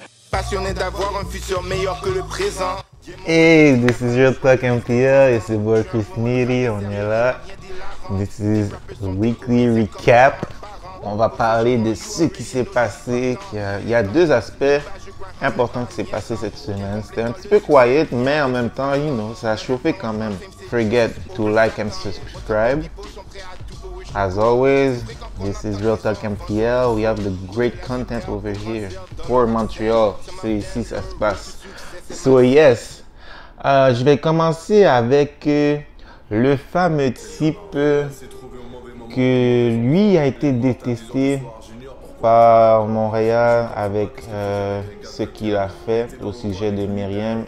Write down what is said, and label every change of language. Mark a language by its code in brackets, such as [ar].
[fr] passionné d'avoir un futur meilleur que le présent. [en] Hey, this is your talk MPR, it's your boy Chris Neary, [fr] on est là. [en] This is weekly recap. [fr] On va parler de ce qui s'est passé. Il y a deux aspects importants qui s'est passé cette semaine. C'était un petit peu quiet, mais en même temps, [en] you know, [fr] ça a chauffé quand même. [en] Forget to like and subscribe. As always, this is Real Talk MPL. We have the great content over here for Montreal. [fr] C'est ici ça se passe. [en] So yes, [fr] je vais commencer avec le fameux type que lui a été détesté par Montréal avec ce qu'il a fait au sujet de Myriam.